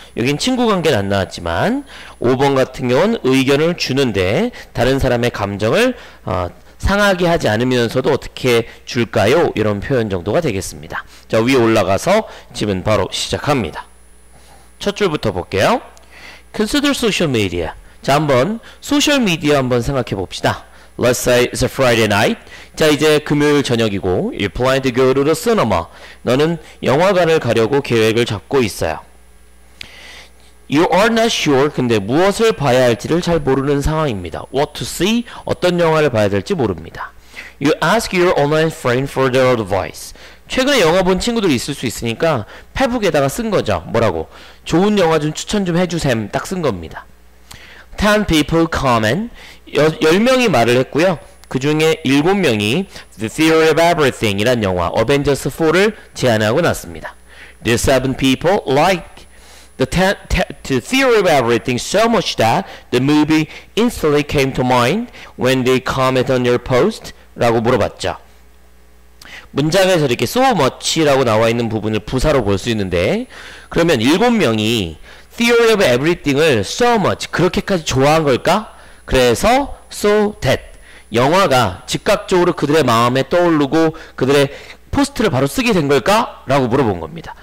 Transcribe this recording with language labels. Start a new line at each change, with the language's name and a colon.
Korean: 여긴 친구 관계는 안 나왔지만 5번 같은 경우는 의견을 주는데 다른 사람의 감정을 상하게 하지 않으면서도 어떻게 줄까요? 이런 표현 정도가 되겠습니다. 자, 위에 올라가서 지금 바로 시작합니다. 첫 줄부터 볼게요.
English: Consider social media.
Korean: 자, 한번 소셜 미디어 한번 생각해 봅시다.
English: Let's say it's a Friday night.
Korean: 자, 이제 금요일 저녁이고
English: You're planning to go to the cinema.
Korean: 너는 영화관을 가려고 계획을 잡고 있어요.
English: You are not sure.
Korean: 근데 무엇을 봐야 할지를 잘 모르는 상황입니다.
English: What to see?
Korean: 어떤 영화를 봐야 될지 모릅니다.
English: You ask your online friend for their advice.
Korean: 최근에 영화 본 친구들이 있을 수 있으니까 페북에다가 쓴 거죠. 뭐라고? 좋은 영화 좀 추천 좀 해주셈. 딱 쓴 겁니다.
English: 10 people comment.
Korean: 10명이 말을 했고요. 그 중에 7명이 The Theory of Everything이란 영화 어벤져스 4를 제안하고 났습니다.
English: The 7 people like the Theory of Everything so much that the movie instantly came to mind when they comment on your post
Korean: 라고 물어봤죠. 문장에서 이렇게 so much라고 나와 있는 부분을 부사로 볼 수 있는데 그러면 7명이 Theory of Everything을 so much, 그렇게까지 좋아한 걸까? 그래서 so that, 영화가 즉각적으로 그들의 마음에 떠오르고 그들의 포스트를 바로 쓰게 된 걸까? 라고 물어본 겁니다.